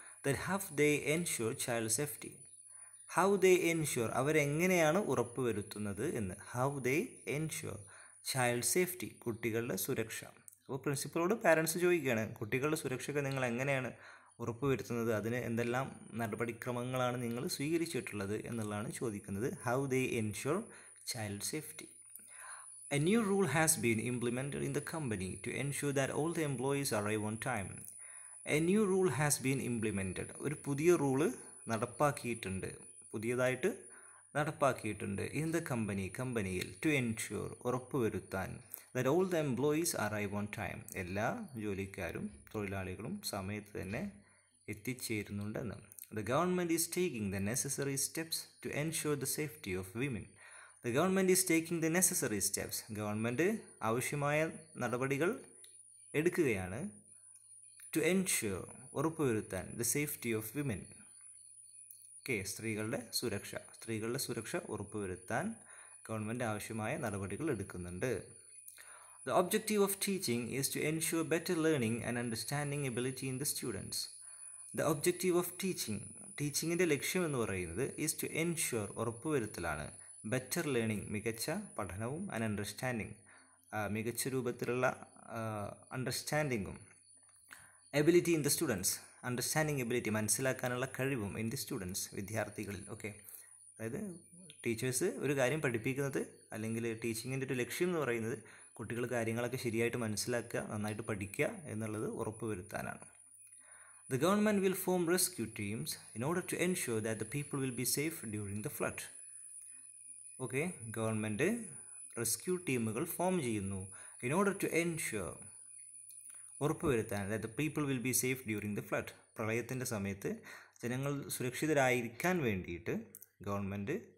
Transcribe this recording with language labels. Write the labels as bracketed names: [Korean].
[English] that how they ensure child safety, how they ensure, [Malayalam] അവരെങ്ങനെയാണ് ഉറപ്പ് വരുത്തുന്നത് എന്ന്. [English] how they ensure child safety, [Malayalam] കുട്ടികളുടെ സുരക്ഷ. അപ്പോൾ പ്രിൻസിപ്പളോട് പാരൻസ് ചോദിക്കുകയാണ്, കുട്ടികളുടെ സുരക്ഷയ്ക്ക് നിങ്ങൾ എങ്ങനെയാണ് ഉറപ്പ് വരുത്തുന്നത്, അതിന് എന്തെല്ലാം നടപടിക്രമങ്ങളാണ് നിങ്ങൾ സ്വീകരിച്ചിട്ടുള്ളത് എന്നുള്ളതാണ് ചോദിക്കുന്നത്. [English] How they ensure child safety. A new rule has been implemented in the company to ensure that all the employees arrive on time. A new rule has been implemented. [Malayalam] ഒരു പുതിയ റൂള് നടപ്പാക്കിയിട്ടുണ്ട്, പുതിയതായിട്ട് നടപ്പാക്കിയിട്ടുണ്ട്. [English] In the company, കമ്പനിയിൽ. To ensure, ഉറപ്പുവരുത്താൻ. That all the employees arrive on time, [Malayalam] എല്ലാ ജോലിക്കാരും തൊഴിലാളികളും സമയത്ത് തന്നെ എത്തിച്ചേരുന്നുണ്ടെന്ന്. [English] The government is taking the necessary steps to ensure the safety of women. The government is taking the necessary steps. Government [Malayalam] ആവശ്യമായ നടപടികൾ എടുക്കുകയാണ് [English] to ensure ഉറപ്പുവരുത്താൻ the safety of women. [Malayalam] Okay, സ്ത്രീകളുടെ സുരക്ഷ ഉറപ്പുവരുത്താൻ ഗവൺമെൻറ് ആവശ്യമായ നടപടികൾ എടുക്കുന്നുണ്ട്. [English] The objective of teaching is to ensure better learning and understanding ability in the students. The objective of teaching [Malayalam] ലക്ഷ്യം എന്ന് പറയുന്നത് [English] is to ensure ഉറപ്പുവരുത്തലാണ് better learning [Malayalam] മികച്ച പഠനവും [English] and understanding [Malayalam] മികച്ച രൂപത്തിലുള്ള [English] understandingഉം ability in the students understanding ability [Malayalam] മനസ്സിലാക്കാനുള്ള കഴിവും [English] in the students [Malayalam] വിദ്യാർത്ഥികളിൽ ഓക്കെ അതായത് ടീച്ചേഴ്സ് ഒരു കാര്യം പഠിപ്പിക്കുന്നത് അല്ലെങ്കിൽ ടീച്ചിങ്ങിൻ്റെ ഒരു ലക്ഷ്യം എന്ന് പറയുന്നത് കുട്ടികൾ കാര്യങ്ങളൊക്കെ ശരിയായിട്ട് മനസ്സിലാക്കുക നന്നായിട്ട് പഠിക്കുക എന്നുള്ളത് ഉറപ്പുവരുത്താനാണ് [English] The government will form rescue teams in order to ensure that the people will be safe during the flood. [Malayalam] Okay, government rescue ടീമുകൾ ഫോം ചെയ്യുന്നു [English] in order to ensure [Malayalam] ഉറപ്പുവരുത്താൻ അതായത് [English] people will be safe during the flood [Malayalam] പ്രളയത്തിൻ്റെ സമയത്ത് ജനങ്ങൾ സുരക്ഷിതരായിരിക്കാൻ വേണ്ടിയിട്ട് government